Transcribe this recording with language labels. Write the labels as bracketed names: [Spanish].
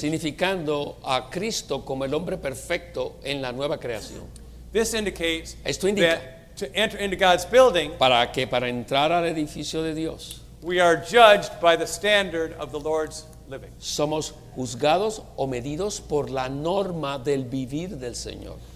[Spanish] Significando a Cristo como el hombre perfecto en la nueva creación. [English] This indicates that to enter into God's building, [Spanish] para que para entrar al edificio de Dios, [English] we are judged by the standard of the Lord's living. [Spanish] Somos juzgados o medidos por la norma del vivir del Señor.